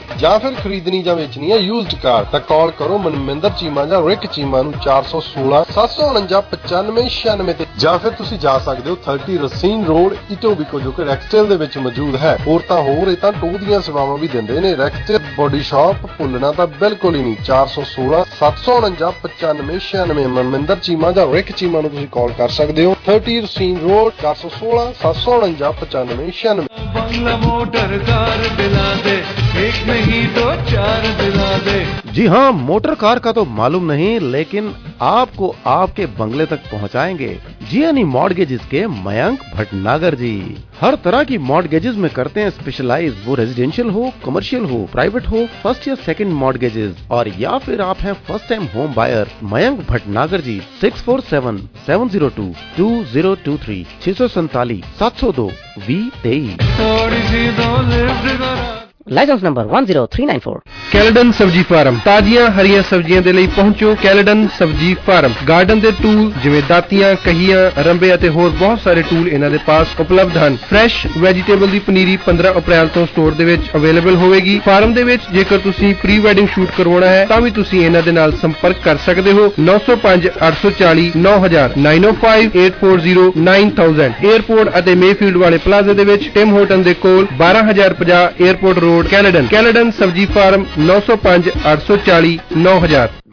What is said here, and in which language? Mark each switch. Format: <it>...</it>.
<pa>ਜਾਂ ਫਿਰ ਖਰੀਦਣੀ ਜਾਂ ਵੇਚਣੀ ਹੈ ਯੂਜ਼ਡ ਕਾਰ ਤਾਂ ਕਾਲ ਕਰੋ ਮਨਮਿੰਦਰ ਚੀਮਾ ਜਾਂ ਰਿਕ ਚੀਮਾ ਨੂੰ 416-795-9696 ਤੇ ਜਾਂ ਫਿਰ ਤੁਸੀਂ ਜਾ ਸਕਦੇ ਹੋ 30 ਰਸੀਨ ਰੋਡ ਇਟੋਬੀਕੋ ਜੋ ਕਿ ਰੈਕਸਟੇਲ ਦੇ ਵਿੱਚ ਮੌਜੂਦ ਹੈ ਹੋਰ ਤਾਂ ਹੋਰ ਇਹ ਤਾਂ ਟੋਅ ਦੀਆਂ ਸੇਵਾਵਾਂ ਵੀ ਦਿੰਦੇ ਨੇ ਰੈਕਸਟੇਲ ਬੋਡੀ ਸ਼ਾਪ ਭੁੱਲਣਾ ਤਾਂ ਬਿਲਕੁਲ ਹੀ ਨਹੀਂ 416-795-9696 ਮਨਮਿੰਦਰ ਚੀਮਾ ਜਾਂ ਰਿਕ ਚੀਮਾ ਨੂੰ ਤੁਸੀਂ ਕਾਲ ਕਰ ਸਕਦੇ ਹੋ 30 ਰਸੀਨ ਰੋਡ 416-795-9696</pa> <hi>जी हाँ मोटर कार का तो मालूम नहीं लेकिन आपको आपके बंगले तक पहुँचाएंगे जी यानी मॉर्गेजेस के मयंक भटनागर जी हर तरह की मॉर्गेजेस में करते हैं स्पेशलाइज वो रेजिडेंशियल हो कमर्शियल हो प्राइवेट हो फर्स्ट या सेकंड मॉर्गेजेस और या फिर आप हैं first time home buyer Mayank Bhatnagar जी 647-702-2023 लाइसेंस नंबर 10394</hi> <pa>ਕੈਲਡਨ ਸਬਜ਼ੀ ਫਾਰਮ ਤਾਜ਼ੀਆਂ ਹਰੀਆਂ ਸਬਜ਼ੀਆਂ ਦੇ ਲਈ ਪਹੁੰਚੋ ਕੈਲਡਨ ਸਬਜ਼ੀ ਫਾਰਮ ਗਾਰਡਨ ਦੇ ਟੂਲ ਜਿਵੇਂ ਦਾਤੀਆਂ ਕਹੀਆਂ ਰੰਬੇ ਅਤੇ ਹੋਰ ਬਹੁਤ ਸਾਰੇ ਟੂਲ ਇਹਨਾਂ ਦੇ ਪਾਸ ਉਪਲਬਧ ਹਨ ਫਰੈਸ਼ ਵੈਜੀਟੇਬਲ ਦੀ ਪਨੀਰੀ 15 ਅਪ੍ਰੈਲ ਤੋਂ ਸਟੋਰ ਦੇ ਵਿੱਚ ਅਵੇਲੇਬਲ ਹੋਵੇਗੀ ਫਾਰਮ ਦੇ ਵਿੱਚ ਜੇਕਰ ਤੁਸੀਂ ਪ੍ਰੀ ਵੈਡਿੰਗ ਸ਼ੂਟ ਕਰਵਾਉਣਾ ਹੈ ਤਾਂ ਵੀ ਤੁਸੀਂ ਇਹਨਾਂ ਦੇ ਨਾਲ ਸੰਪਰਕ ਕਰ ਸਕਦੇ ਹੋ 905-840-9000 ਏਅਰਪੋਰਟ ਅਤੇ ਮੇਫੀਲਡ ਵਾਲੇ ਪਲਾਜ਼ਾ ਦੇ ਵਿੱਚ ਟਿਮ ਹੋਟਲ ਦੇ ਕੋਲ 12050 ਏਅਰਪੋਰਟ ਰੋਡ ਕੈਨੇਡਨ ਕੈਲਡਨ ਸਬਜ਼ੀ ਫਾਰਮ 905-840-9000</pa>